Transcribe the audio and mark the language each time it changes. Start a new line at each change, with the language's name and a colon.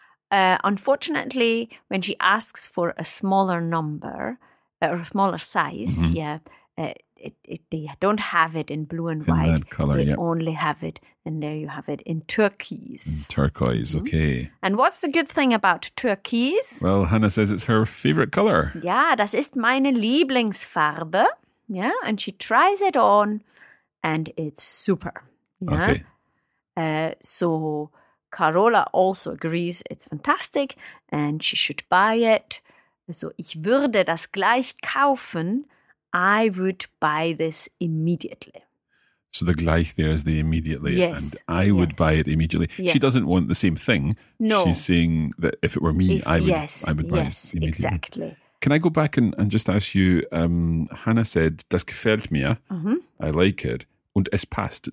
English: Unfortunately, when she asks for a smaller number, or a smaller size, they don't have it in blue and white. In that color, they only have it, and there you have it, in turquoise. In turquoise, okay. And what's the good thing about turquoise? Well, Hannah says it's her favorite color.
German: Ja, das ist meine Lieblingsfarbe.
English: Ja, and she tries it on, and it's super.
German: Ja?
English: Okay. So Carola also agrees it's fantastic, and she should buy it.
German: So ich würde das gleich kaufen.
English: I would buy this immediately. So the gleich there is the immediately. Yes. And I would buy it immediately. Yeah. She doesn't want the same thing. No. She's saying that if it were me, I would buy it immediately. Yes, exactly. Can I go back and just ask you, Hannah said,
German: das gefällt mir.
English: I like it.
German: Und es passt.